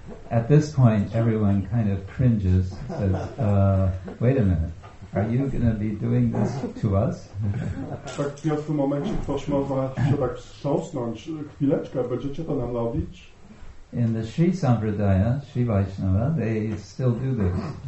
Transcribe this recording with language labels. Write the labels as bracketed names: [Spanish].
[English] At this point, everyone kind of cringes, says, wait a minute, are you going to be doing this to us? [Polish] Tak w pierwszym momencie ktoś może się tak wstrząsnąć, chwileczkę, będziecie to nam robić? [English] In the Sri Sampradaya, Sri Vaishnava, they still do this.